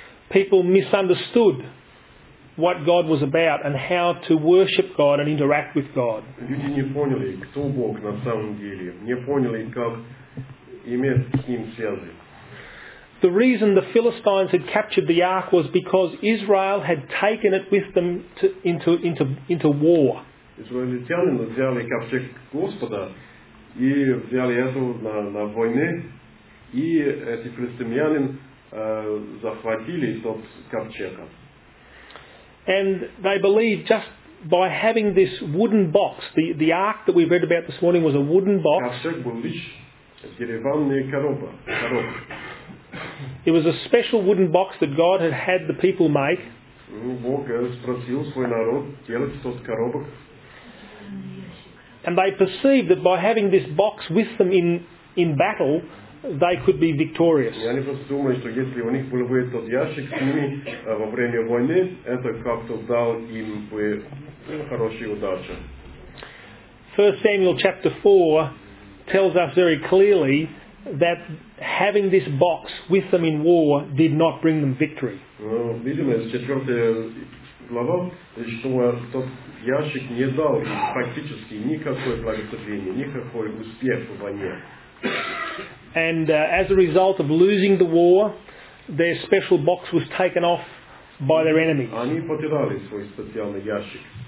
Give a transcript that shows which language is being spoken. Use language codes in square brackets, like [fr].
[en] People misunderstood what God was about and how to worship God and interact with God. [ru] Люди не поняли, кто Бог на самом деле, не поняли, как иметь с Ним связи. [en] The reason the Philistines had captured the ark was because Israel had taken it with them into war. [ru] Израильтяне взяли ковчег Господа и взяли это на войне, и эти филистимляне захватили тот ковчег. [en] And they believed just by having this wooden box, the ark that we read about this morning was a wooden box. [ru] Ковчег был лишь деревянная коробка. [en] It was a special wooden box that God had the people make. [ru] Бог спросил свой народ делать тот коробок. [en] And they perceived that by having this box with them in battle, they could be victorious. [ru] Я не просто думаю, что если у них был бы тот ящик с ними во время войны, это как-то дал им бы хорошую удачу. [en] 1 Samuel chapter 4 tells us very clearly that having this box with them in war did not bring them victory. [ru] Видимо, из 4 глава, что тот ящик не дал им фактически никакое благословение, никакой успех в войне. [en] And as a result of losing the war, their special box was taken off by their enemies. [ru] Они потеряли свой специальный ящик.